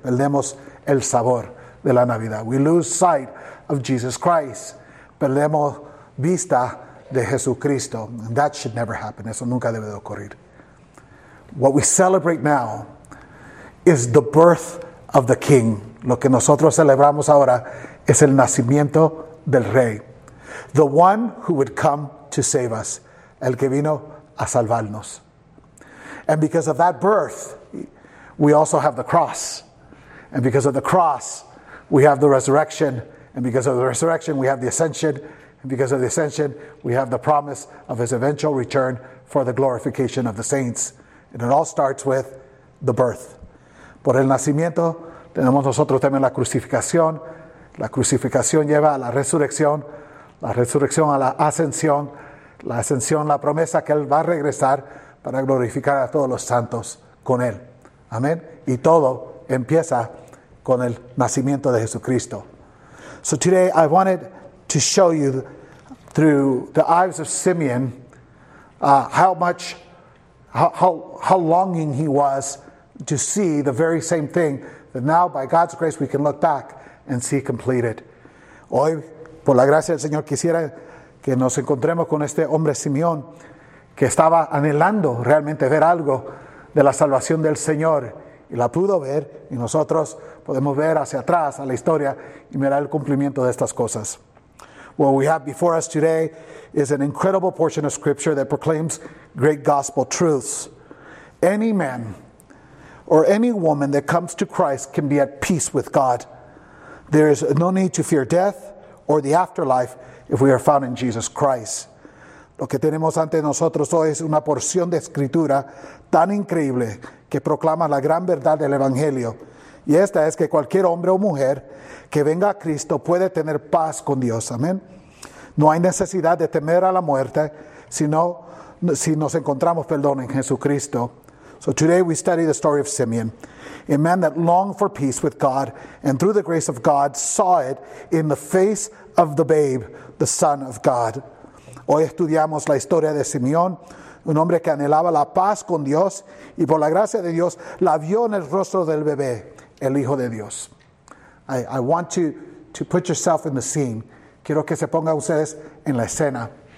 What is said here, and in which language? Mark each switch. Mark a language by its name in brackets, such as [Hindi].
[Spanish] Perdemos el sabor de la Navidad. [English] We lose sight of Jesus Christ. [Spanish] Perdemos vista de Jesucristo. [English] And that should never happen. [Spanish] Eso nunca debe de ocurrir. [English] What we celebrate now is the birth of the King. [Spanish] Lo que nosotros celebramos ahora es el nacimiento del Rey. [English] The one who would come to save us. [Spanish] El que vino a salvarnos. [English] And because of that birth, we also have the cross. And because of the cross, we have the resurrection, and because of the resurrection, we have the ascension, and because of the ascension, we have the promise of his eventual return for the glorification of the saints. And it all starts with the birth. [Spanish] Por el nacimiento, tenemos nosotros también la crucificación. La crucificación lleva a la resurrección a la ascensión la promesa que él va a regresar para glorificar a todos los santos con él. Amén. Y todo empieza con el nacimiento de Jesucristo. [English] So today I wanted to show you through the eyes of Simeon how longing he was to see the very same thing that now by God's grace we can look back and see completed. [Spanish] Hoy, por la gracia del Señor, quisiera que nos encontremos con este hombre Simeón que estaba anhelando realmente ver algo de la salvación del Señor. Y la pudo ver, y nosotros podemos ver hacia atrás a la historia y mirar el cumplimiento de estas cosas. [English] What we have before us today is an incredible portion of scripture that proclaims great gospel truths. Any man or any woman that comes to Christ can be at peace with God. There is no need to fear death or the afterlife if we are found in Jesus Christ. [Spanish] Lo que tenemos ante nosotros hoy es una porción de escritura tan increíble que proclama la gran verdad del Evangelio. Y esta es que cualquier hombre o mujer que venga a Cristo puede tener paz con Dios. Amén. No hay necesidad de temer a la muerte, sino si nos encontramos, perdón, en Jesucristo. [English] So today we study the story of Simeon, a man that longed for peace with God and through the grace of God saw it in the face of the babe, the Son of God. [Spanish] Hoy estudiamos la historia de Simeón, un hombre que anhelaba la paz con Dios y por la gracia de Dios la vio en el rostro del bebé, el Hijo de Dios. [English] I want you to put yourself in the scene. [Spanish] Quiero que se pongan ustedes en la escena.